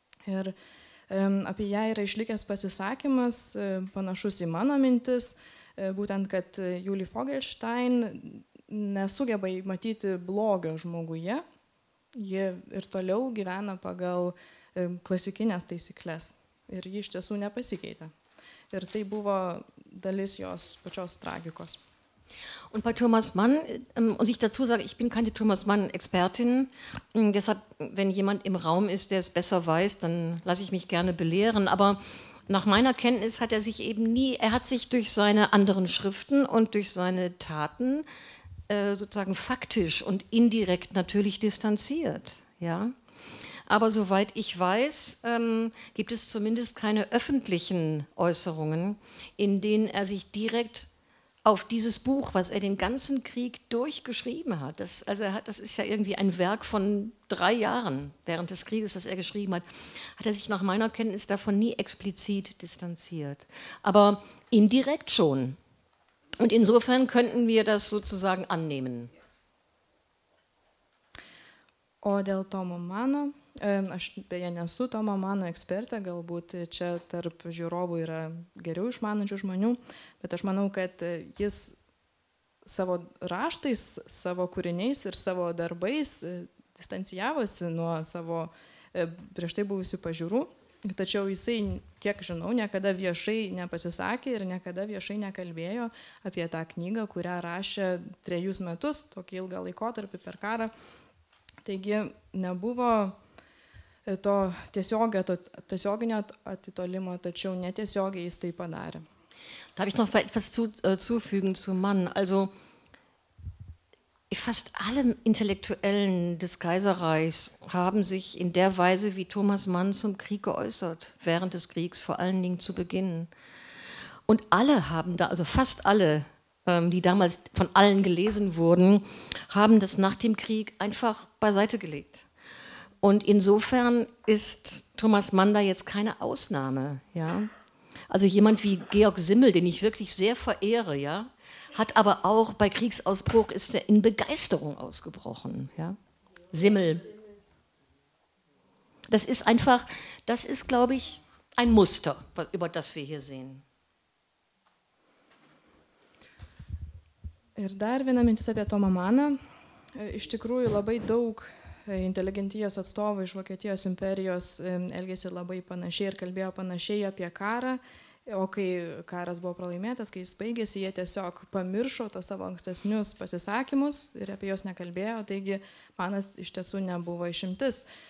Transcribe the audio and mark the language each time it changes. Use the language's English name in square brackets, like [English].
[Lithuanian] Ir apie ją yra išlikęs pasisakymas, panašus į mano mintis, būtent, kad Julie Vogelstein nesugeba matyti blogio žmoguje. Ji ir toliau gyvena pagal klasikinės taisyklės ir ji iš tiesų nepasikeitė. Ir tai buvo dalis jos pačios tragikos. [German] Und bei Thomas Mann, muss ich dazu sagen, ich bin keine Thomas Mann-Expertin, deshalb, wenn jemand im Raum ist, der es besser weiß, dann lasse ich mich gerne belehren, aber nach meiner Kenntnis hat er sich eben nie, er hat sich durch seine anderen Schriften und durch seine Taten sozusagen faktisch und indirekt natürlich distanziert. Ja? Aber soweit ich weiß, gibt es zumindest keine öffentlichen Äußerungen, in denen er sich direkt auf dieses Buch, was er den ganzen Krieg durchgeschrieben hat, das ist ja irgendwie ein Werk von 3 Jahren während des Krieges, das er geschrieben hat, hat er sich nach meiner Kenntnis davon nie explizit distanziert. Aber indirekt schon. Und insofern könnten wir das sozusagen annehmen. [Lithuanian] O dėl Tomo Mano, aš beje nesu Tomo Mano ekspertė, galbūt čia tarp žiūrovų yra geriau išmanančių žmonių, bet aš manau, kad jis savo raštais, savo kūriniais ir savo darbais distancijavosi nuo savo prieš tai buvusių pažiūrų. Tačiau jisai, kiek žinau, niekada viešai nepasisakė ir niekada viešai nekalbėjo apie tą knygą, kurią rašė 3 metus, tokį ilgą laikotarpį per karą. Taigi nebuvo to tiesioginio atitolimo, tačiau netiesiogiai jis tai padarė. [German] Darf ich noch etwas zufügen zu Mann? Also fast alle Intellektuellen des Kaiserreichs haben sich in der Weise wie Thomas Mann zum Krieg geäußert, während des Kriegs, vor allen Dingen zu Beginn. Und alle haben da, also fast alle, die damals von allen gelesen wurden, haben das nach dem Krieg einfach beiseite gelegt. Und insofern ist Thomas Mann da jetzt keine Ausnahme. Ja? Also jemand wie Georg Simmel, den ich wirklich sehr verehre, ja, hat aber auch bei Kriegsausbruch ist er in Begeisterung ausgebrochen. Ja? Simmel. Das ist einfach, das ist, glaube ich, ein Muster, über das wir hier sehen. [Lithuanian] Ir dar viena mintis apie Tomą Maną. Iš tikrųjų labai daug inteligentijos atstovų iš Vokietijos imperijos elgėsi labai panašiai ir kalbėjo panašiai apie karą. O kai karas buvo pralaimėtas, kai jis baigėsi, jie tiesiog pamiršo tos savo ankstesnius pasisakymus ir apie juos nekalbėjo, taigi Manas iš tiesų nebuvo išimtis.